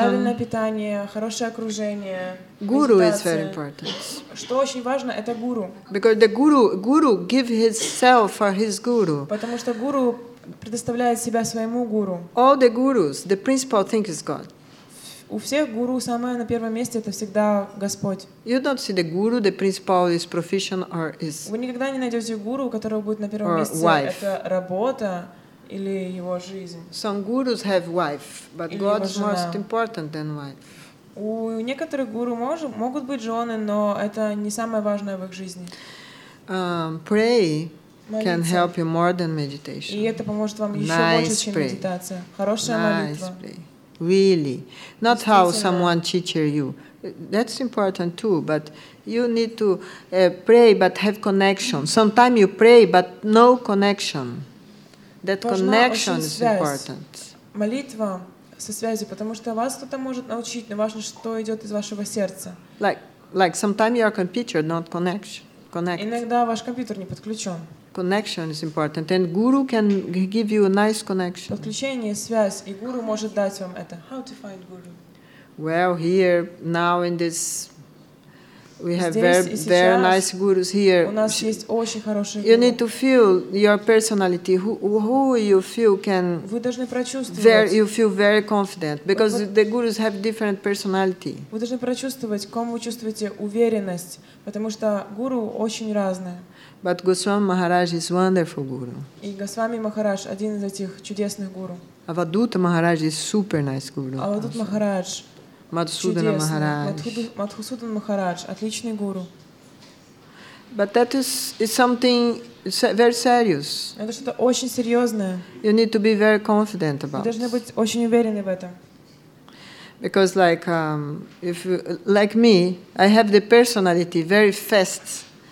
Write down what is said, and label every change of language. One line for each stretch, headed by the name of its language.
Russian: Правильное питание, хорошее окружение.
English: Guru is very important.
Russian: Что очень важно, это гуру.
English: Because the guru give himself for his guru.
Russian: Потому что гуру предоставляет себя своему гуру.
English: All the gurus, the principal thing is God.
Russian: У всех гуру самое на первом месте это всегда Господь.
English: You don't see the guru, the principal is profession or is.
Russian: Вы никогда не найдете гуру, которого будет на первом месте
English: wife.
Russian: Это работа или его жизнь.
English: Some gurus have wife, but
Russian: или
English: God is more important than wife.
Russian: У некоторых гуру могут быть жены, но это не самое важное в их жизни.
English: Pray. Can help you more than meditation.
Russian: И это поможет вам еще больше, чем медитация. Хорошая молитва.
English: Really, not how someone teaches you. That's important too, but you need to pray, but have connection. Sometimes you pray, but no connection. That connection is important.
Russian: Молитва со связью, потому что вас кто-то может научить, но важно, что идет из вашего сердца.
English: Like sometimes your computer not connected.
Russian: Иногда ваш компьютер не подключен.
English: Connection is important, and guru can give you a nice connection.
Russian: Подключение, связь, и гуру может дать вам это.
English: How to find guru? Well, here now in this, we have very nice gurus here.
Russian: У нас есть очень хорошие гуру.
English: You need to feel your personality. Who you feel can?
Russian: Вы должны прочувствовать.
English: You feel very confident because the gurus have different personality.
Russian: Вы должны прочувствовать, кому вы чувствуете уверенность, потому что гуру очень разные.
English: But Goswami Maharaj is wonderful guru.
Russian: И Госвами Махарадж один из этих чудесных гуру.
English: Авадута Махарадж is super nice guru.
Russian: Авадута Махарадж. Мадхусудана Махарадж. Мадхусудана Махарадж отличный гуру.
English: But that is something very serious.
Russian: Это что-то очень серьезное.
English: You need to be very confident about.
Russian: Вы должны быть очень уверены в этом.
English: Because like if like me, I have the personality very fast.